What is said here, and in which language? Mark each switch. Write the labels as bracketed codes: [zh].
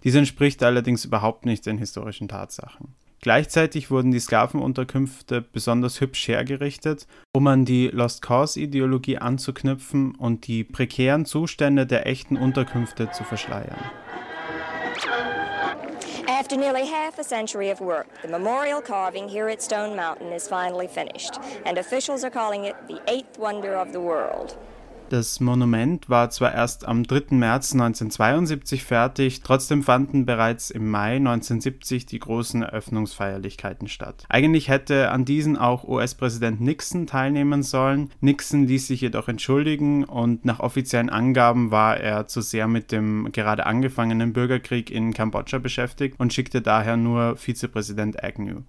[de] Dies entspricht allerdings überhaupt nicht den historischen Tatsachen. Gleichzeitig wurden die Sklavenunterkünfte besonders hübsch hergerichtet, um an die Lost Cause-Ideologie anzuknüpfen und die prekären Zustände der echten Unterkünfte zu verschleiern. [en] After nearly half a century of work, the memorial carving here at Stone Mountain is finally finished, and officials are calling it the eighth wonder of the world. [de] Das Monument war zwar erst am 3. März 1972 fertig, trotzdem fanden bereits im Mai 1970 die großen Eröffnungsfeierlichkeiten statt. Eigentlich hätte an diesen auch US-Präsident Nixon teilnehmen sollen. Nixon ließ sich jedoch entschuldigen und nach offiziellen Angaben war er zu sehr mit dem gerade angefangenen Bürgerkrieg in Kambodscha beschäftigt und schickte daher nur Vizepräsident Agnew.